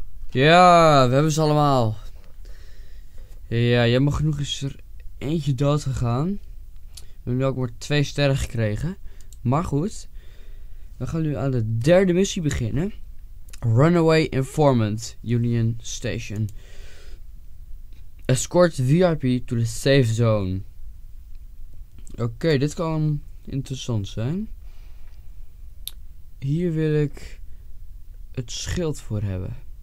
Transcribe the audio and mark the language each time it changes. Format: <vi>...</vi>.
<nl>Ja, we hebben ze allemaal. Ja, jammer genoeg is er eentje dood gegaan. We hebben nu ook maar 2 sterren gekregen. Maar goed. We gaan nu aan de derde missie beginnen. Runaway Informant Union Station.</nl> <en>Escort VIP to the safe zone.</en> <nl>Oké, dit kan interessant zijn. Hier wil ik het schild voor hebben.</nl>